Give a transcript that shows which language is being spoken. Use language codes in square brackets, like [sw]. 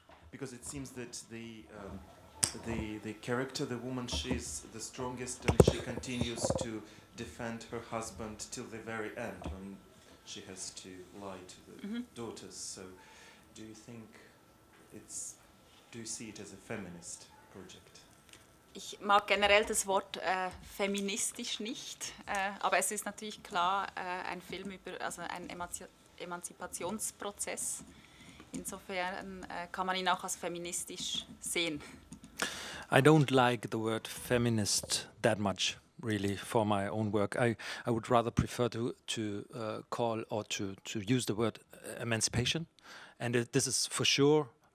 [en] Because it seems that the character, the woman, she's the strongest, and she continues to defend her husband till the very end, when she has to lie to the daughters. So do you think it's, do you see it as a feminist project? [de] Ich mag generell das Wort feministisch nicht, aber es ist natürlich klar, ein Film über, also ein Emanzipationsprozess. Insofern kann man ihn auch als feministisch sehen. [en] I don't like the word feminist that much, really, for my own work. I would rather prefer to call or to use the word emancipation. And this is for sure